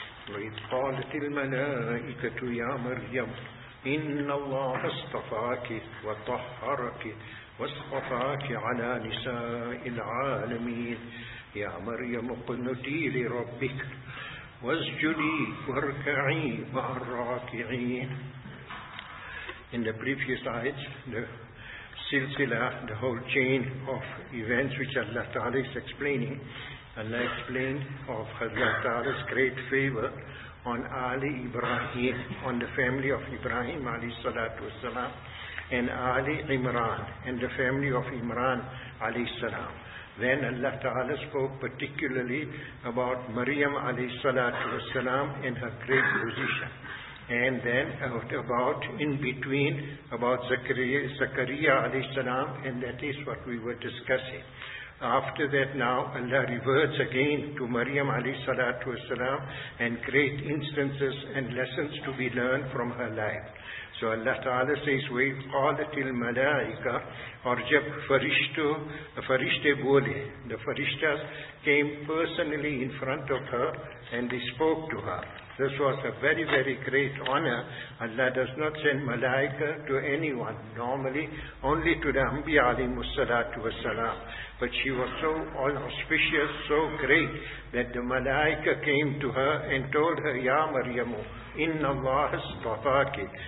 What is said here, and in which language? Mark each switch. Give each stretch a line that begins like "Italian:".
Arabic: وإذ قالت الملائكة يا مريم إن الله اصطفاك وطهرك واصطفاك على نساء العالمين. يا مريم اقنتي لربك واسجدي واركعي مع الراكعين.
English: In the previous ayats, the silsila, the whole chain of events which Allah Ta'ala is explaining, Allah explained of Allah Ta'ala's great favor on Ali Ibrahim, on the family of Ibrahim alayhi salatu wasalam, and Ali Imran, and the family of Imran alayhi salam. Then Allah Ta'ala spoke particularly about Maryam alayhi salatu wasalam and her great position. And then about in between about Zakariya alayhi salam, and that is what we were discussing. After that, now Allah reverts again to Maryam alayhi salatu wasalam and great instances and lessons to be learned from her life. So Allah Ta'ala says,
Arabic: وَإِذْ قَالَتِ الْمَلَائِكَةِ
English: or
Urdu: جَبْ فَرِشْتُ فَرِشْتَ بُولِ.
English: The farishtas came personally in front of her and they spoke to her. This was a very, very great honor. Allah does not send malaika to anyone normally, only to the Anbiya alayhi salatu wasalam. But she was so auspicious, so great, that the malaika came to her and told her,
Arabic: Ya Maryamu, Inna Allah istafaki.